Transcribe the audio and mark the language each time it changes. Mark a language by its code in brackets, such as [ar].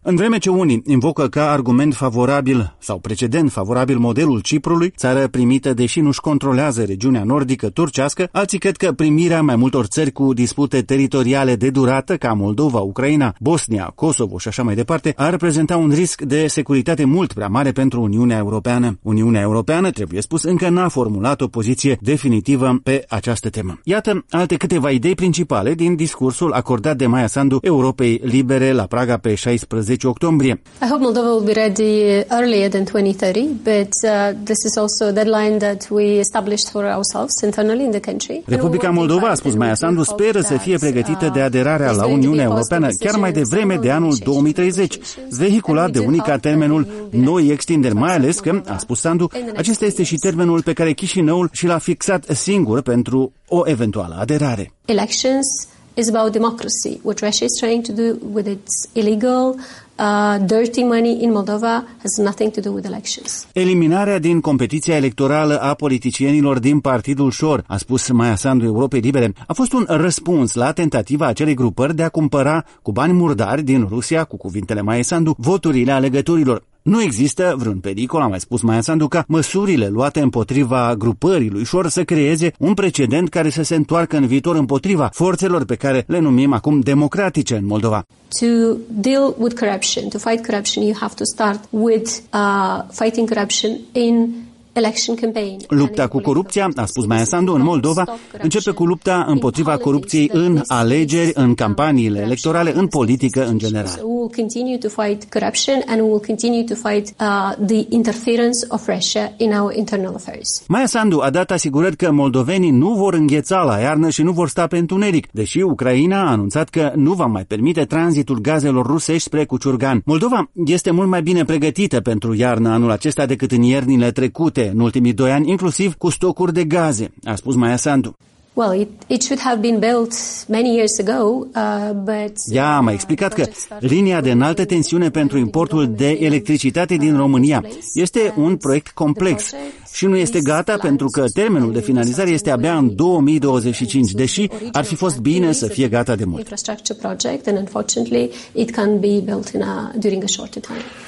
[ro] În vreme ce unii invocă ca argument favorabil sau precedent favorabil modelul Ciprului, țară primită deși nu-și controlează regiunea nordică turcească, alții cred că primirea mai multor țări cu dispute teritoriale de durată ca Moldova, Ucraina, Bosnia, Kosovo și așa mai departe, ar prezenta un risc de securitate mult prea mare pentru Uniunea Europeană. Uniunea Europeană, trebuie spus, încă n-a formulat o poziție definitivă pe această temă. Iată alte câteva idei principale din discursul acordat de Maia Sandu Europei Libere la Praga pe 16 octombrie. [en] I hope Moldova will be ready earlier than 2030, but this is also a deadline that we established for ourselves internally in the country. [ro] Republica Moldova, a spus Maia Sandu, speră să fie pregătită de aderarea la Uniunea Europeană chiar mai devreme de anul 2030, vehiculat de unii ca termenul noi extinderi, mai ales că, a spus Sandu, acesta este și termenul pe care Chișinăul și l-a fixat singur pentru o eventuală aderare. [en] Elections is about democracy, which Russia is trying to do with its illegal dirty money in Moldova has nothing to do with elections. [ro] Eliminarea din competiția electorală a politicienilor din Partidul Șor, a spus Maia Sandu Europei Libere, a fost un răspuns la tentativa acelei grupări de a cumpăra cu bani murdari din Rusia, cu cuvintele Maia Sandu, voturile alegătorilor. Nu există vreun pericol, a mai spus Maia Sandu, ca măsurile luate împotriva grupării lui Șor să creeze un precedent care să se întoarcă în viitor împotriva forțelor pe care le numim acum democratice în Moldova. [en] To deal with corruption, to fight corruption, you have to start with fighting corruption in [ro] Lupta cu corupția, a spus Maia Sandu, în Moldova, începe cu lupta împotriva corupției în alegeri, în campaniile electorale, în politică în general. [en] We will continue to fight corruption and we will continue to fight the interference of Russia in our internal affairs. [ro] Maia Sandu a dat asigurări că moldovenii nu vor îngheța la iarnă și nu vor sta pe întuneric, deși Ucraina a anunțat că nu va mai permite tranzitul gazelor rusești spre Cuciurgan. Moldova este mult mai bine pregătită pentru iarnă anul acesta decât în iernile trecute, în ultimii doi ani, inclusiv cu stocuri de gaze, a spus Maia Sandu. [en] Well, it should have been built many years ago, but [ro] ea a mai explicat că linia de înaltă tensiune pentru importul de electricitate din România este un proiect complex și nu este gata pentru că termenul de finalizare este abia în 2025, deși ar fi fost bine să fie gata de mult. [en] Infrastructure project and unfortunately it can be built in during a shorter time.